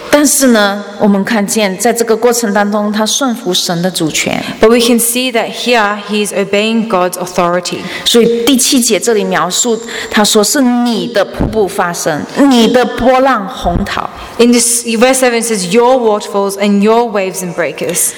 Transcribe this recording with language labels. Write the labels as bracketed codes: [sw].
[zh] 但是呢，我们看见在这个过程当中，他顺服神的主权。 [en] But we can see that here he is obeying God's authority. [zh] 所以第七节这里描述，他说是你的瀑布发声，你的波浪洪。 [en] In this verse 7 says your waterfalls and your waves and breakers.